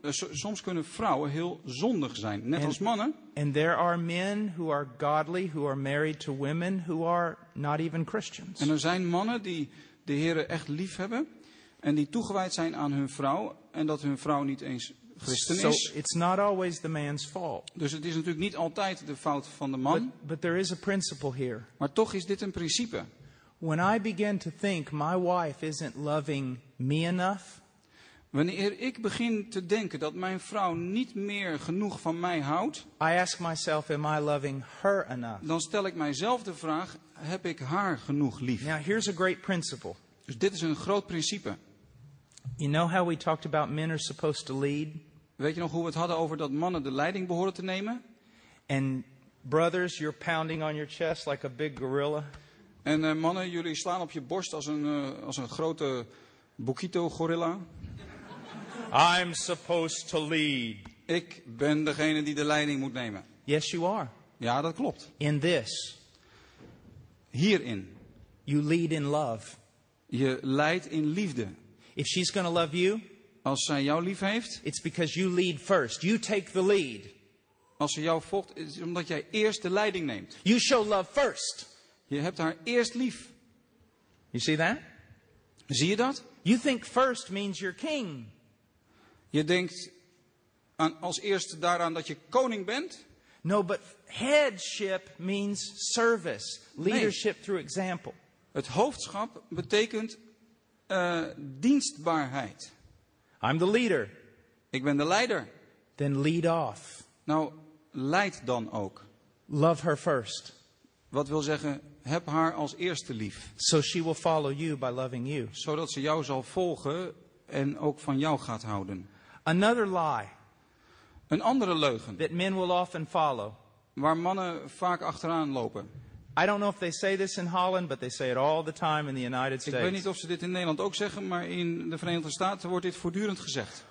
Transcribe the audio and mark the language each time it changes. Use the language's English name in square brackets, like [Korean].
[Dutch] Soms kunnen vrouwen heel zondig zijn, net als mannen. [English] And there are men who are godly, who are married to women who are not even Christians. [Dutch] En er zijn mannen die de Heere echt lief hebben en die toegewijd zijn aan hun vrouw en dat hun vrouw niet eens Christen is. [English] So it's not always the man's fault. [Dutch] Dus het is natuurlijk niet altijd de fout van de man. [English] But there is a principle here. [Dutch] Maar toch is dit een principe. [English] When I begin to think my wife isn't loving me enough, [Dutch] wanneer ik begin te denken dat mijn vrouw niet meer genoeg van mij houdt, [English] I ask myself, am I loving her enough? [Dutch] Dan stel ik mijzelf de vraag, heb ik haar genoeg lief? [English] Now here's a great principle. [Dutch] Dus dit is een groot principe. [English] You know how we talked about men are supposed to lead? [Dutch] Weet je nog hoe we het hadden over dat mannen de leiding behoren te nemen? [English] And brothers, you're pounding on your chest like a big gorilla. [Dutch] En mannen, jullie slaan op je borst als een grote boekito gorilla. [English] I'm supposed to lead. [Dutch] Ik ben degene die de leiding moet nemen. [English] Yes, you are. [Dutch] Ja, dat klopt. [English] In this. [Dutch] Hierin. [English] You lead in love. [Dutch] Je leidt in liefde. [English] If she's gonna love you, [Dutch] als zij jou lief heeft, [English] it's because you lead first. You take the lead. [Dutch] Als ze jou volgt, is het omdat jij eerst de leiding neemt. [English] You show love first. [Dutch] Je hebt haar eerst lief. [English] You see that? [Dutch] Zie je dat? [English] You think first means you're king. [Dutch] Je denkt als eerst daaraan dat je koning bent. [English] No, but headship means service, leadership through example. [Dutch] Het hoofdschap betekent dienstbaarheid. [English] I'm the leader. [Dutch] Ik ben de leider. [English] Then lead off. [Dutch] Nou, leid dan ook. [English] Love her first. [Dutch] Wat wil zeggen, heb haar als eerste lief. [English] So she will follow you by loving you. [Dutch] Zodat ze jou zal volgen en ook van jou gaat houden. [English] Another lie. [Dutch] Een andere leugen. [English] That men will often follow. [Dutch] Waar mannen vaak achteraan lopen. [English] I don't know if they say this in Holland, but they say it all the time in the United States. [Dutch] Ik weet niet of ze dit in Nederland ook zeggen, maar in de Verenigde Staten wordt dit voortdurend gezegd.